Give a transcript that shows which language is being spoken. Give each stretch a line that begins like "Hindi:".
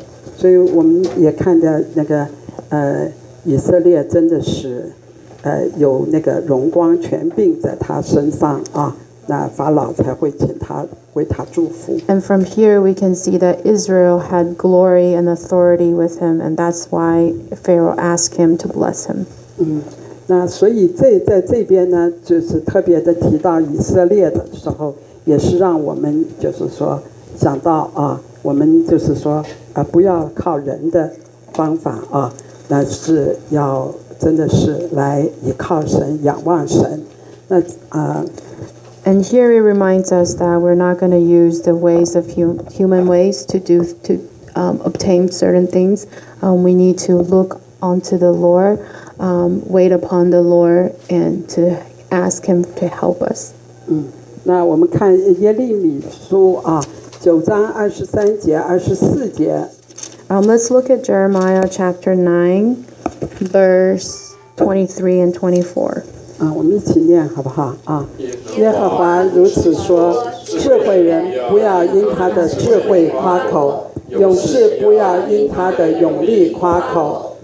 English: So we also see that Israel really has the glory of the Lord on his head. So the Pharaoh will send him to bless him. And from here, we can see that Israel had glory and authority with him, and that's why Pharaoh asked him to bless him.
Chinese: 那所以在这边呢，就是特别的提到以色列的时候，也是让我们就是说想到啊，我们就是说不要靠人的方法啊，那是要真的是来依靠神，仰望神。那
English: And here it reminds us that we're not going to use the ways of human ways to do to obtain certain things. We need to look onto the Lord. Wait upon the Lord and to ask Him to help us.
Chinese: 那我们看耶利米书啊，九章二十三节、二十四节。
English: Let's look at Jeremiah chapter 9, verse 23 and 24.
Chinese: 我们一起念好不好啊？耶和华如此说：智慧人不要因他的智慧夸口，勇士不要因他的勇力夸口。